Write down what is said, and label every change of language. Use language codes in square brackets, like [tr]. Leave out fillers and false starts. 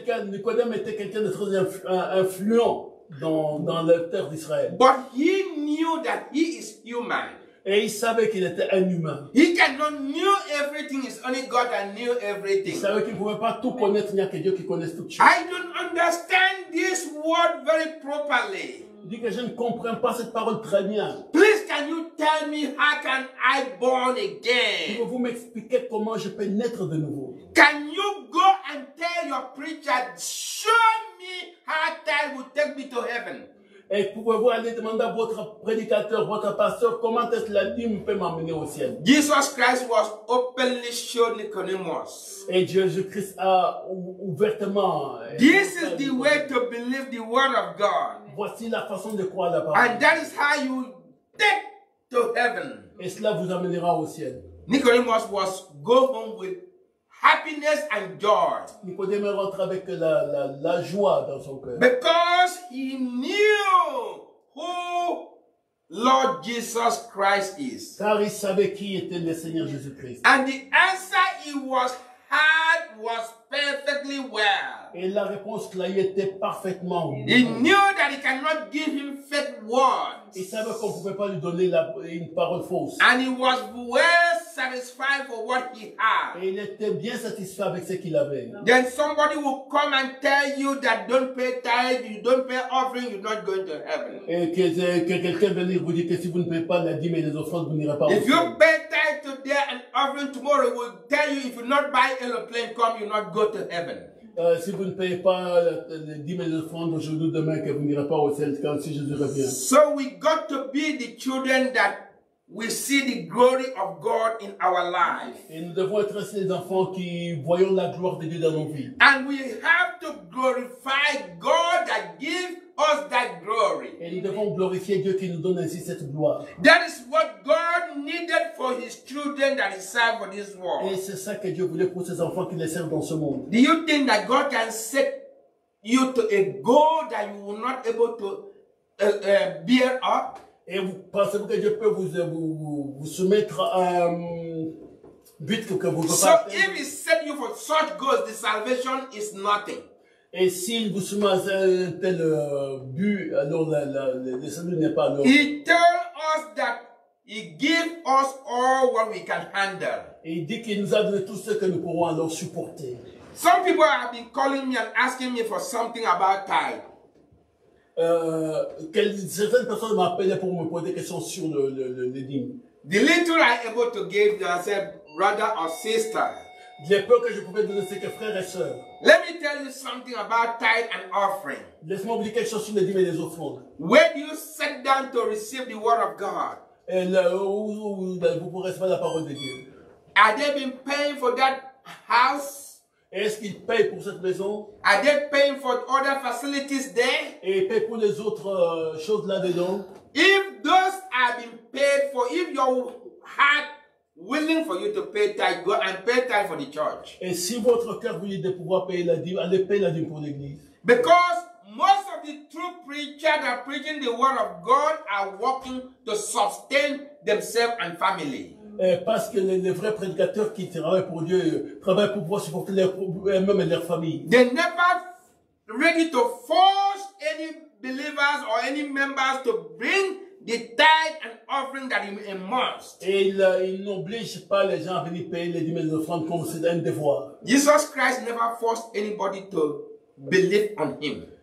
[fr] Nicodème était quelqu'un de très influent dans la terre d'Israël. [en] But he knew that he is human. [fr] Et il savait qu'il était un humain. [en] He cannot know everything. It's only God that knew everything. [fr] Il savait qu'il ne pouvait pas tout connaître. Il n'y a que Dieu qui connaisse toutes choses. [en] I don't understand this word very properly. [fr] Il dit que je ne comprends pas cette parole très bien. [en] Please, can you tell me how can I born again? [fr] Pouvez-vous m'expliquer comment je peux naître de nouveau? [en] Can you go and tell your preacher, show me how time will take me to heaven? [fr] Et pouvez-vous aller demander à votre prédicateur, votre pasteur, comment est-ce que la vie peut m'amener au ciel? [en] Jesus Christ was openly shown Nicodemus. [fr] Et Jésus-Christ a ouvertement. [en] This is the way to believe the word of God. [fr] Voici la façon de croire la parole. [en] And that is how you take to heaven. [fr] Et cela vous amènera au ciel. [en] Nicodemus was go home with happiness and joy. [fr] Nicodème rentre avec la joie dans son cœur. [en] Because he knew who Lord Jesus Christ is. [fr] Car il savait qui était le Seigneur Jésus Christ. [en] And the answer he was had was perfectly well. [fr] Et la réponse qu'il a eu était parfaitement. [en] He knew that he cannot give him fake words. [fr] Il savait qu'on ne pouvait pas lui donner une parole fausse. [en] And he was well satisfied for what he had. [fr] Et il était bien satisfait avec ce qu'il avait. [en] Then somebody will come and tell you that don't pay tithe, you don't pay offering, you're not going to heaven. [fr] Et que quelqu'un venir vous dire que si vous ne payez pas la dîme et les offrandes, vous n'irez pas au ciel. [en] If you pay tithe today and offering tomorrow, will tell you if you not buy a plane, come, you not go to heaven. [fr] Si vous ne payez pas les 10 000 francs aujourd'hui, demain, que vous n'irez pas au ciel quand si Jésus revient. [en] So we got to be the children that we see the glory of God in our life. [fr] Et nous devons être ces enfants qui voyons la gloire de Dieu dans nos vies. [en] And we have to glorify God that gives us that glory. [fr] Et nous devons glorifier Dieu qui nous donne ainsi cette gloire. [en] That is what God needed for his children that he served for this world. [fr] Et c'est ça que Dieu voulait pour ses enfants qui les servent dans ce monde. [en] Do you think that God can set you to a goal that you will not able to bear up? [fr] Et vous pensez-vous que Dieu peut vous soumettre à but que vous ne pouvez [en] so [fr] pas faire? [en] So if he set you for such goals, the salvation is nothing. [fr] Et s'il vous soumet à un tel but, alors le salut n'est pas normal. [en] He tells us that he gives us all what we can handle. [fr] Et il dit qu'il nous a donné tout ce que nous pourrons alors supporter. [en] Some people have been calling me and asking me for something about tithe. [fr] Certaines personnes m'appellent pour me poser des questions sur le dîme. [en] The little I able to give, they said, brother or sister. [fr] Les peu que je pouvais donner, c'est que frères et sœurs. [en] Let me tell you something about tithe and offering. [fr] Laisse-moi vous dire quelque chose sur les dîmes et les offrandes. [en] When you sit down to receive the word of God. [fr] Et là, vous pourrez recevoir la parole de Dieu. [en] Are they been paying for that house? [fr] Est-ce qu'ils payent pour cette maison? [en] Are they paying for other facilities there? [fr] Et ils payent pour les autres choses là-dedans? [en] If those have been paid for, if your heart willing for you to pay tithe, go and pay tithe for the church. [fr] Et si votre cœur voulait de pouvoir payer la dîme, allez payer la dîme pour l'église. [en] Because most of the true preachers that are preaching the word of God are working to sustain themselves and family. [fr] Parce que les vrais prédicateurs qui travaillent pour Dieu travaillent pour pouvoir supporter eux-mêmes et leur famille. [en] They're never ready to force any believers or any members to bring the tithe and offering that is a must. [fr] Et ils n'obligent pas les gens à venir payer les dîmes et les offrandes comme c'est un devoir. [en] Jesus Christ never forced anybody to believe on him.